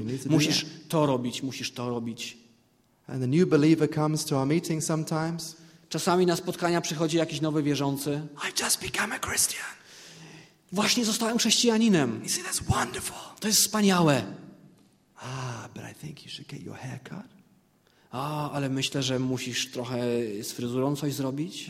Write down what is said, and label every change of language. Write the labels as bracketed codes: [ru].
[pl] Musisz to robić, musisz to robić. [en] And the new believer comes to our meeting sometimes. [pl] Czasami na spotkania przychodzi jakiś nowy wierzący. [en] I've just become a Christian. [pl] Właśnie zostałem chrześcijaninem. [en] You see, that's wonderful. [pl] To jest wspaniałe. [en] Ah, but I think you should get your hair cut. [pl] Ah, ale myślę, że musisz trochę z fryzurą coś zrobić.